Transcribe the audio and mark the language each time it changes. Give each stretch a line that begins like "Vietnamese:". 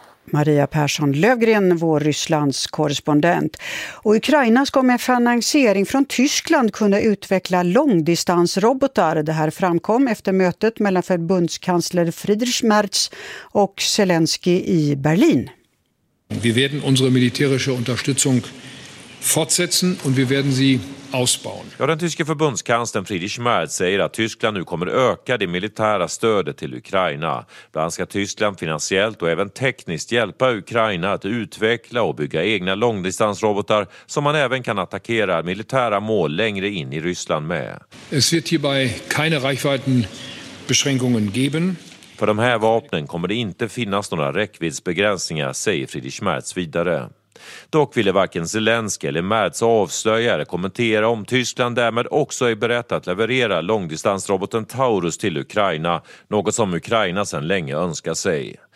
Swedish: Maria Persson Lövgren, vår Rysslands korrespondent. Och Ukraina ska med finansiering från Tyskland kunna utveckla långdistansrobotar. Det här framkom efter mötet mellan förbundskansler Friedrich Merz och Zelensky i Berlin.
German: Vi werden unsere militärische Unterstützung fortsetzen und wir werden sie ausbauen.
Swedish: Ja, den tyske förbundskanslern Friedrich Merz säger att Tyskland nu kommer öka det militära stödet till Ukraina. Bland annat ska Tyskland finansiellt och även tekniskt hjälpa Ukraina att utveckla och bygga egna långdistansrobotar som man även kan attackera militära mål längre in i Ryssland med.
German: Es wird hierbei keine Reichweitenbeschränkungen geben.
Swedish: För de här vapnen kommer det inte finnas några räckviddsbegränsningar, säger Friedrich Merz vidare. Dock ville varken Zelensky eller Merz avslöjare kommentera om Tyskland därmed också är berett att leverera långdistansroboten Taurus till Ukraina, något som Ukraina sedan länge önskar sig.